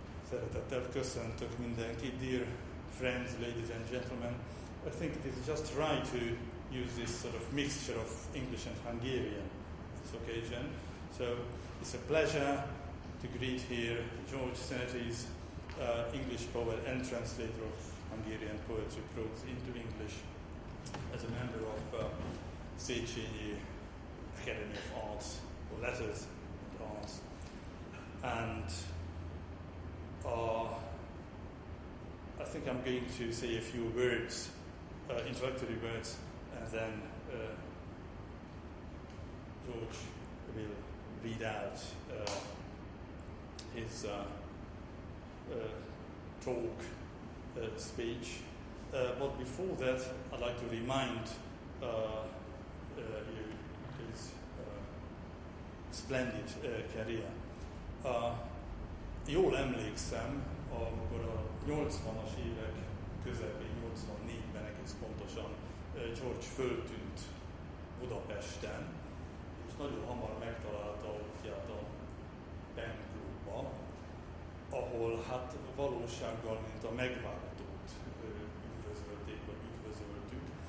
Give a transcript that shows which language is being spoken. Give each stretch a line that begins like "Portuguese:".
Hungarian: Szeretettel köszöntök mindenkit,
English: dear friends, ladies and gentlemen. I think it is just right to use this sort of mixture of English and Hungarian on this occasion. So it's a pleasure to greet here George Szeneti's English poet and translator of Hungarian poetry prose into English as a member of Széchenyi Academy of Arts, or Letters and Arts. And I think I'm going to say a few words, introductory words, and then George will read out his talk speech. But before that, I'd like to remind you his splendid career.
Hungarian: Jól emlékszem, amikor a 80-as évek közepén, 84-ben egész pontosan George föltűnt Budapesten, és nagyon hamar megtalálta útját a Pen Klubba, ahol hát valósággal, mint a megváltót üdvözölték, vagy üdvözöltük.